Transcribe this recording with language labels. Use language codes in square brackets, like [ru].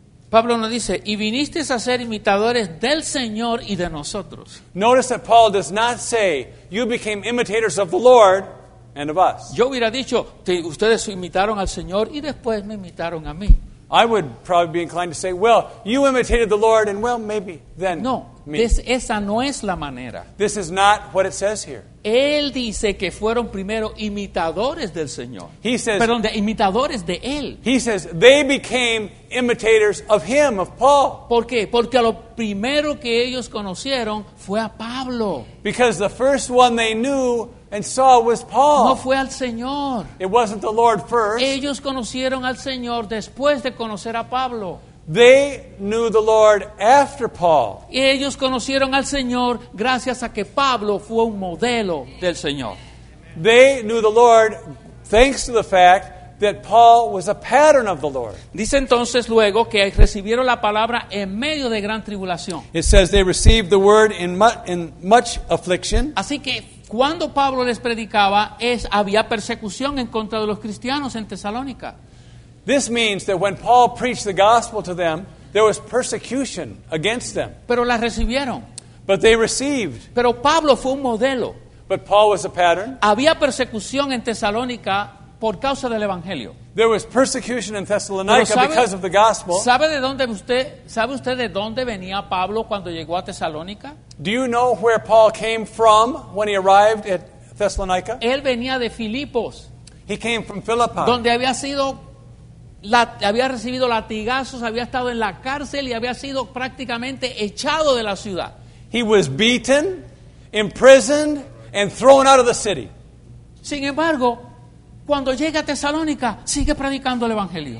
[es] Pablo no dice, y vinisteis a ser imitadores del Señor y de nosotros. [en] Notice that Paul does not say, you became imitators of the Lord and of us. [es] Yo hubiera dicho, ustedes imitaron al Señor y después me imitaron a mí. [en] I would probably be inclined to say, well, you imitated the Lord and well, maybe then no, me. [es] Esa no es la manera. [en] This is not what it says here. [es] Él dice que fueron primero imitadores del Señor. [en] He says, [es] perdón, de imitadores de Él. [en] He says, they became imitators of him, of Paul. [es] ¿Por qué? Porque lo primero que ellos conocieron fue a Pablo. [en] Because the first one they knew and saw was Paul. [es] No fue al Señor. [en] It wasn't the Lord first. [es] Ellos conocieron al Señor después de conocer a Pablo. [en] They knew the Lord after Paul. [es] Y ellos conocieron al Señor gracias a que Pablo fue un modelo del Señor. [en] They knew the Lord thanks to the fact that Paul was a pattern of the Lord. [es] Dice entonces luego que recibieron la palabra en medio de gran tribulación. [en] It says they received the word in much affliction. [es] Así que cuando Pablo les predicaba, había persecución en contra de los cristianos en Tesalónica. [en] This means that when Paul preached the gospel to them, there was persecution against them. [es] Pero la recibieron. [en] But they received. [es] Pero Pablo fue un modelo. [en] But Paul was a pattern. [es] Había persecución en Tesalónica por causa del evangelio. [en] There was persecution in Thessalonica because of the gospel. [es] ¿Sabe usted de dónde venía Pablo cuando llegó a Tesalónica? [en] Do you know where Paul came from when he arrived at Thessalonica? [es] Él venía de Filipos. [en] He came from Philippi. [es] Donde había sido había recibido latigazos, había estado en la cárcel y había sido prácticamente echado de la ciudad. [en] He was beaten, imprisoned, and thrown out of the city. [es] Sin embargo, cuando llega a Tesalónica, sigue predicando el evangelio.